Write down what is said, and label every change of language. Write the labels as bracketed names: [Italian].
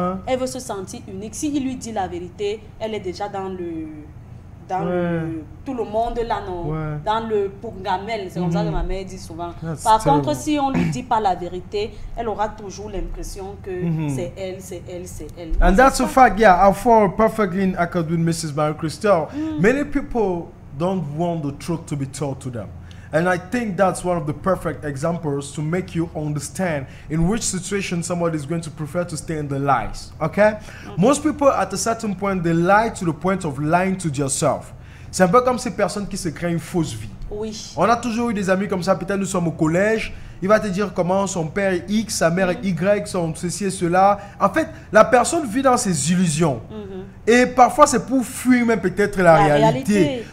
[French] Elle veut se sentir unique. Si il lui dit la vérité, elle est déjà dans le... tout le monde là, non? Dans le pungamel, c'est comme ça que ma mère dit souvent. [English] That's [French] par contre, si on ne lui dit pas la vérité, elle aura toujours l'impression que c'est elle, c'est elle, c'est elle. [English] And that's a fact, yeah, I fall perfectly in accord with Mrs. Marie-Christelle. Many people don't want the truth to be told to them. And I think that's one of the perfect examples to make you understand in which situation somebody is going to prefer to stay in the lies, okay? Most people, at a certain point, they lie to the point of lying to yourself. [French] C'est un peu comme ces personnes qui se créent une fausse vie. Oui. On a toujours eu des amis comme ça, peut-être nous sommes au collège, il va te dire comment son père est X, sa mère est Y, son ceci et cela. En fait, la personne vit dans ses illusions. Et parfois, c'est pour fuir même peut-être la réalité.